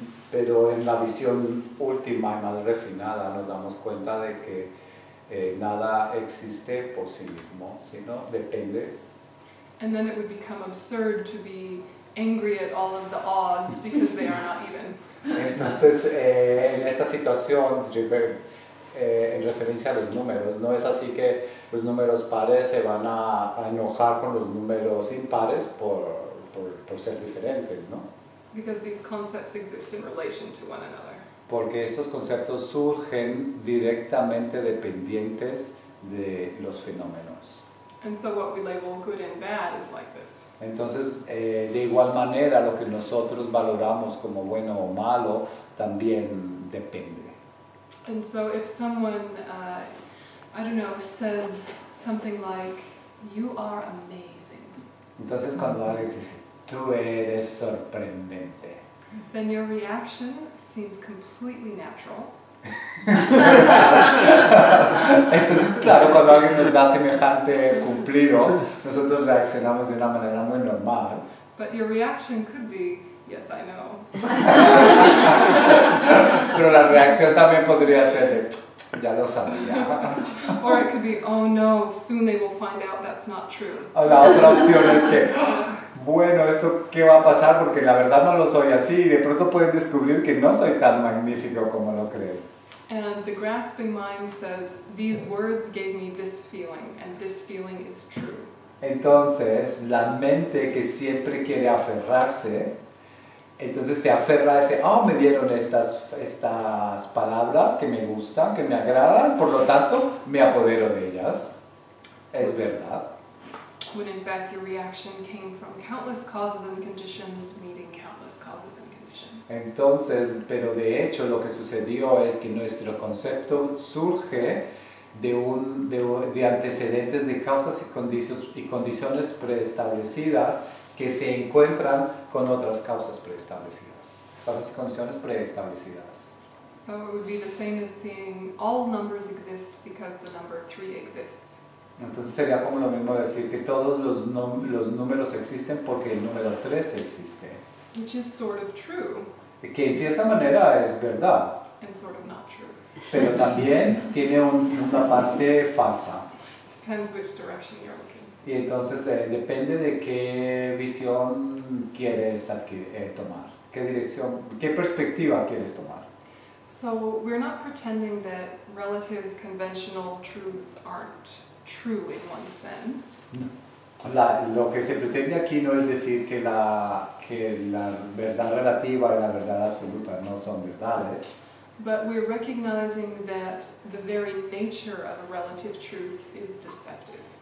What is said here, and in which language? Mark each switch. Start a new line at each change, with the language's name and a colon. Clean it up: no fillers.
Spanish: Pero en la visión última y más refinada nos damos cuenta de que nada existe por sí mismo, sino depende.
English: And then it would become absurd to be angry at all of the odds because they are not even.
Spanish: Entonces, en esta situación, en referencia a los números, no es así que los números pares se van a enojar con los números impares por ser diferentes, ¿no?
English: Because these concepts exist in relation to one another.
Spanish: Porque estos conceptos surgen directamente dependientes de los fenómenos.
English: And so what we label good and bad is like this.
Spanish: Entonces, de igual manera, lo que nosotros valoramos como bueno o malo también depende.
English: And so if someone, I don't know, says something like, you are amazing.
Spanish: Entonces cuando alguien dice, tú eres sorprendente.
English: Then your reaction seems completely natural.
Spanish: Entonces, claro, cuando alguien nos da semejante cumplido, nosotros reaccionamos de una manera muy normal.
English: But your reaction could be, yes, I know.
Spanish: Pero la reacción también podría ser de, ya lo sabía.
English: Or it could be, oh no, soon they will find out that's not true.
Spanish: O la otra opción es que, bueno, ¿esto qué va a pasar? Porque la verdad no lo soy así, y de pronto pueden descubrir que no soy tan magnífico como lo creo.
English: And the grasping mind says, these words gave me this feeling, and this feeling is true.
Spanish: Entonces, la mente que siempre quiere aferrarse, entonces se aferra a ese, oh, me dieron estas palabras que me gustan, que me agradan, por lo tanto, me apodero de ellas. Es verdad.
English: When in fact your reaction came from countless causes and conditions meeting countless causes and conditions.
Spanish: Entonces, pero de hecho lo que sucedió es que nuestro concepto surge de antecedentes de causas y condiciones preestablecidas que se encuentran con otras causas preestablecidas. Causas y condiciones preestablecidas.
English: So it would be the same as seeing all numbers exist because the number 3 exists.
Spanish: Entonces sería como lo mismo decir que todos los números existen porque el número 3 existe.
English: Which is sort of true.
Spanish: Que en cierta manera es verdad.
English: And sort of not true.
Spanish: Pero también tiene una parte falsa.
English: Depends which direction you're looking.
Spanish: Y entonces depende de qué visión quieres tomar. ¿Qué dirección, qué perspectiva quieres tomar?
English: So we're not pretending that relative conventional truths aren't true in one sense.
Spanish: Lo que se pretende aquí no es decir que la verdad relativa y la verdad absoluta no son verdades.
English: But we're recognizing that the very nature of a relative truth is deceptive.